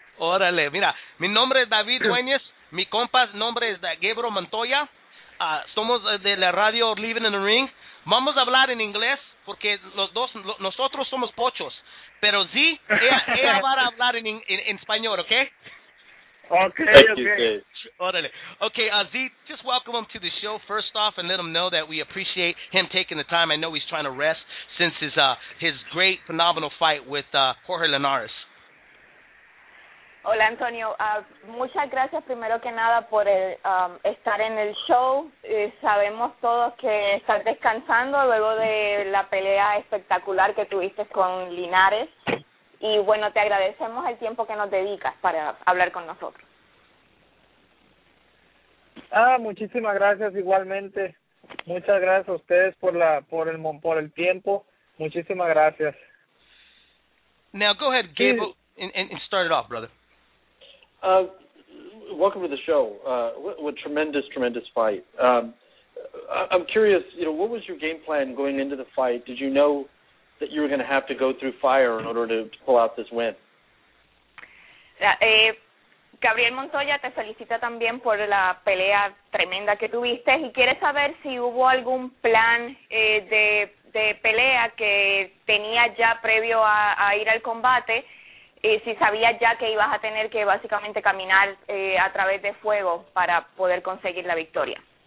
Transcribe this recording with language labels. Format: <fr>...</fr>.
<es>Órale, mira, mi nombre es David Dueñez, mi compas nombre es Gabriel Montoya, somos de la radio Living in the Ring. Vamos a hablar en inglés, porque los dos, nosotros somos pochos. Pero sí, ella va a hablar en español, ¿ok?</es> <en>Okay. Okay, Z, just welcome him to the show first off and let him know that we appreciate him taking the time. I know he's trying to rest since his great, phenomenal fight with Jorge Linares.</en> <es>Hola, Antonio. Muchas gracias, primero que nada, por el, estar en el show. Sabemos todos que estás descansando luego de la pelea espectacular que tuviste con Linares. Y bueno, te agradecemos el tiempo que nos dedicas para hablar con nosotros. Ah, muchísimas gracias igualmente. Muchas gracias a ustedes por el tiempo. Muchísimas gracias.</es> <en>Now, go ahead, Gabriel, and start it off, brother. Welcome to the show. What tremendous, tremendous fight. I'm curious, you know, what was your game plan going into the fight? Did you know that you were going to have to go through fire in order to pull out this win?</en> <es>Gabriel Montoya te felicita también por la pelea tremenda que tuviste y quiere saber si hubo algún plan de pelea que tenía ya previo a ir al combate. Si sabías ya que ibas a tener que básicamente caminar a través de fuego para poder conseguir la victoria.</es>